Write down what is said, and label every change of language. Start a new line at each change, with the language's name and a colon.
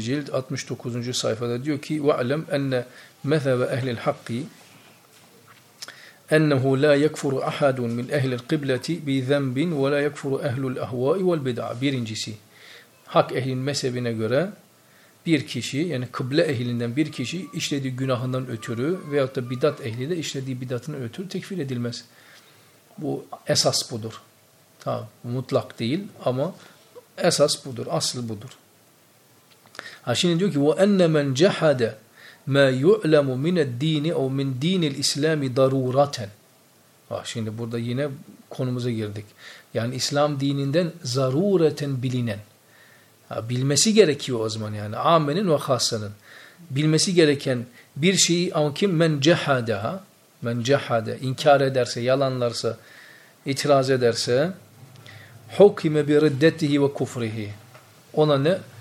Turkish: cilt 69. sayfada diyor ki
Arabic: وَعْلَمْ اَنَّ مَثَبَ اَهْلِ الْحَقِّ أنه لا يكفر أحد من أهل القبلة بذنب ولا يكفر أهل الأهواء والبدع
Turkish: birincisi hak ehlin mezhebine göre bir kişi yani kıble ehlinden bir kişi işlediği günahından ötürü veyahut da bidat ehli de işlediği bidatından ötürü tekfir edilmez. Bu esas budur. Tamam mutlak değil ama esas budur, asıl budur. Ha şimdi diyor ki
Arabic: وَأَنَّ مَنْ جَحَدَ مَا يُعْلَمُ مِنَ الدِّينِ اَوْ مِنْ دِينِ الْاِسْلَامِ ضَرُورَةً
Turkish: Şimdi burada yine konumuza girdik. Yani İslam dininden zarureten bilinen. Bilmesi gerekiyor o zaman yani. Âmenin ve hasanın. Bilmesi gereken bir şeyi ama kim?
Arabic: Men cehade.
Turkish: İnkar ederse, yalanlarsa, itiraz ederse.
Arabic: حُكِمَ بِرِدَّتِهِ وَكُفْرِهِ
Turkish: ona ne?